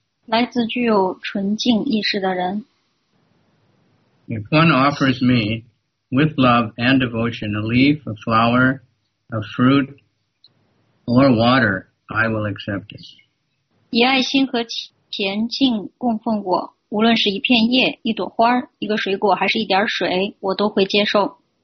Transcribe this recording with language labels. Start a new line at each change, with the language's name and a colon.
Chinese: 来自具有纯净意识的人。
English: If one offers me,with love and devotion, a leaf, a flower, a fruit, or water, I will accept it.
Chinese: 以爱心和虔敬供奉我，无论是一片叶、一朵花、一个水果，还是一点水，我都会接受。